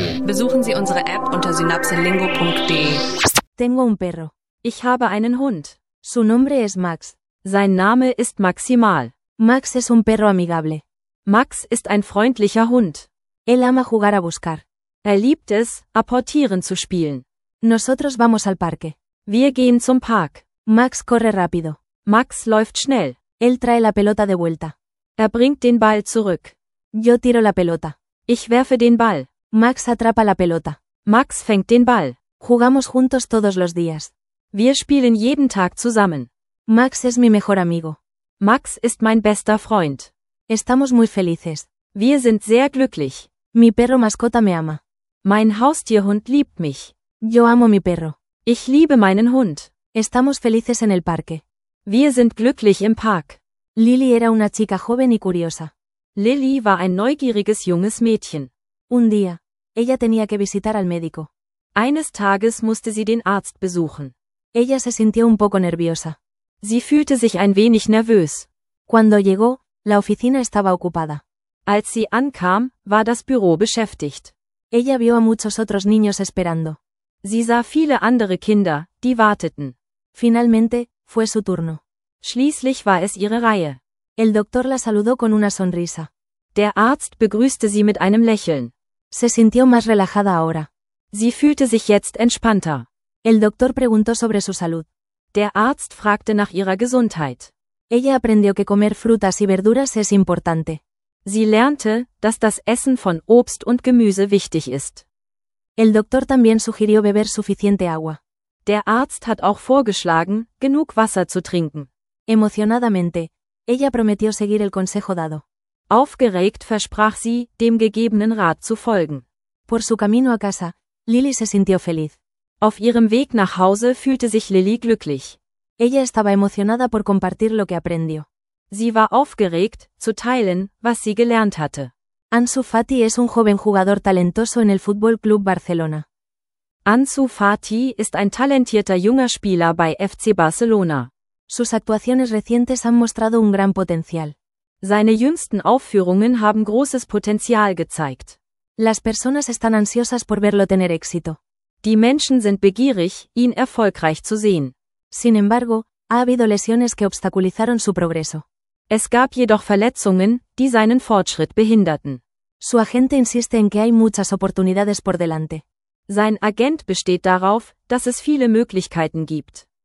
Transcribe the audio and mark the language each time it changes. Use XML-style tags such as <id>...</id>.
<de>Besuchen Sie unsere App unter synapselingo.de.</de> <es>Tengo un perro.</es> <de>Ich habe einen Hund.</de> <es>Su nombre es Max.</es> <de>Sein Name ist Maximal.</de> <es>Max es un perro amigable.</es> <de>Max ist ein freundlicher Hund.</de> <es>Él ama jugar a buscar.</es> <de>Er liebt es, apportieren zu spielen.</de> <es>Nosotros vamos al parque.</es> <de>Wir gehen zum Park.</de> <es>Max corre rápido.</es> <de>Max läuft schnell.</de> <es>Él trae la pelota de vuelta.</es> <de>Er bringt den Ball zurück.</de> <es>Yo tiro la pelota.</es> <de>Ich werfe den Ball.</de> <es>Max atrapa la pelota.</es> <de>Max fängt den Ball.</de> <es>Jugamos juntos todos los días.</es> <de>Wir spielen jeden Tag zusammen.</de> <es>Max es mi mejor amigo.</es> <de>Max ist mein bester Freund.</de> <es>Estamos muy felices.</es> <de>Wir sind sehr glücklich.</de> <es>Mi perro mascota me ama.</es> <de>Mein Haustierhund liebt mich.</de> <es>Yo amo mi perro.</es> <de>Ich liebe meinen Hund.</de> <es>Estamos felices en el parque.</es> <de>Wir sind glücklich im Park.</de> <es>Lily era una chica joven y curiosa.</es> <de>Lily war ein neugieriges junges Mädchen.</de> <es>Un día, ella tenía que visitar al médico.</es> <de>Eines Tages musste sie den Arzt besuchen.</de> <es>Ella se sintió un poco nerviosa.</es> <de>Sie fühlte sich ein wenig nervös.</de> <es>Cuando llegó, la oficina estaba ocupada.</es> <de>Als sie ankam, war das Büro beschäftigt.</de> <es>Ella vio a muchos otros niños esperando.</es> <de>Sie sah viele andere Kinder, die warteten.</de> <es>Finalmente, fue su turno.</es> <de>Schließlich war es ihre Reihe.</de> <es>El doctor la saludó con una sonrisa.</es> <de>Der Arzt begrüßte sie mit einem Lächeln.</de> <es>Se sintió más relajada ahora.</es> <de>Sie fühlte sich jetzt entspannter.</de> <es>El doctor preguntó sobre su salud.</es> <de>Der Arzt fragte nach ihrer Gesundheit.</de> <es>Ella aprendió que comer frutas y verduras es importante.</es> <de>Sie lernte, dass das Essen von Obst und Gemüse wichtig ist.</de> <es>El doctor también sugirió beber suficiente agua.</es> <de>Der Arzt hat auch vorgeschlagen, genug Wasser zu trinken.</de> <es>Emocionadamente, ella prometió seguir el consejo dado.</es> <de>Aufgeregt versprach sie, dem gegebenen Rat zu folgen.</de> <es>Por su camino a casa, Lily se sintió feliz.</es> <de>Auf ihrem Weg nach Hause fühlte sich Lily glücklich.</de> <es>Ella estaba emocionada por compartir lo que aprendió.</es> <de>Sie war aufgeregt, zu teilen, was sie gelernt hatte.</de> <es>Ansu Fati es un joven jugador talentoso en el Fútbol Club Barcelona.</es> <de>Ansu Fati ist ein talentierter junger Spieler bei FC Barcelona.</de> <es>Sus actuaciones recientes han mostrado un gran potencial.</es> <de>Seine jüngsten Aufführungen haben großes Potenzial gezeigt.</de> <es>Las personas están ansiosas por verlo tener éxito.</es> <de>Die Menschen sind begierig, ihn erfolgreich zu sehen.</de> <es>Sin embargo, ha habido lesiones que obstaculizaron su progreso.</es> <de>Es gab jedoch Verletzungen, die seinen Fortschritt behinderten.</de> <es>Su agente insiste en que hay muchas oportunidades por delante.</es> <de>Sein Agent besteht darauf, dass es viele Möglichkeiten gibt.</de>